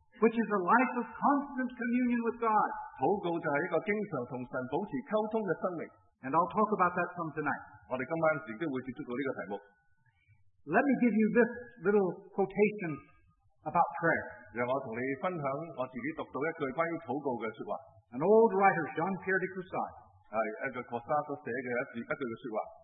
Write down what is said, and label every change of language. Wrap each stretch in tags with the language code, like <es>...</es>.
<en>which is a life of constant communion with God.</en> <yue>祷告就系一个经常同神保持沟通嘅生命</yue> <en>and I'll talk about that some tonight.</en> <yue>我哋今晚亦都會接觸到呢個題目。</yue> <en>Let me give you this little quotation about prayer.</en> <yue>讓我同你分享我自己讀到一句關於禱告嘅説話。</yue> <en>An old writer, Jean-Pierre de Cussat,</en> <yue>係一個庫薩所寫嘅一句嘅説話。</yue>